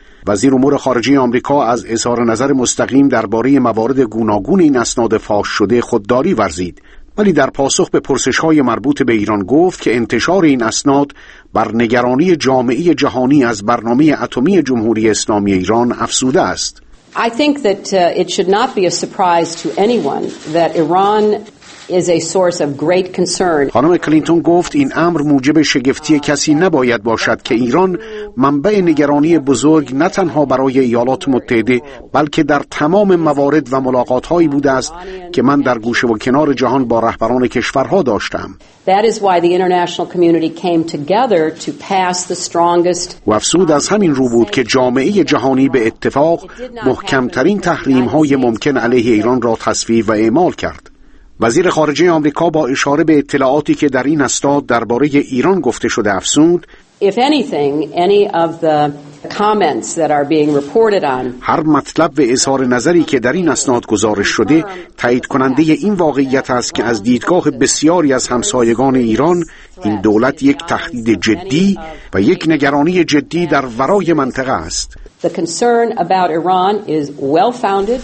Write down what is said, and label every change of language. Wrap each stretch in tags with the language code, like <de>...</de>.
<fa>وزیر امور خارجه آمریکا از اظهار نظر مستقیم درباره موارد گوناگون این اسناد فاش شده خودداری ورزید، ولی در پاسخ به پرسش‌های مربوط به ایران گفت که انتشار این اسناد بر نگرانی جامعه جهانی از برنامه اتمی جمهوری اسلامی ایران افزوده است.</fa> <en>I think that it should not be a surprise to anyone that Iran is a source of great concern.</en> <fa>خانم کلینتون گفت این امر موجب شگفتی کسی نباید باشد که ایران منبع نگرانی بزرگ نه تنها برای ایالات متحده، بلکه در تمام موارد و ملاقات‌هایی بوده است که من در گوشه و کنار جهان با رهبران کشورها داشتم.</fa> <en>That is why the international community came together to pass the strongest.</en> <fa>و افزود از همین رو بود که جامعه جهانی به اتفاق محکم‌ترین تحریم‌های ممکن علیه ایران را تصویب و اعمال کرد. وزیر خارجه آمریکا با اشاره به اطلاعاتی که در این اسناد درباره ایران گفته شده افزود:</fa> <en>If anything, any of the comments that are being reported on.</en> <fa>هر مطلب و اظهار نظری که در این اسناد گزارش شده تایید کننده این واقعیت است که از دیدگاه بسیاری از همسایگان ایران این دولت یک تهدید جدی و یک نگرانی جدی در ورای منطقه است.</fa> <en>The concern about Iran is well-founded.</en>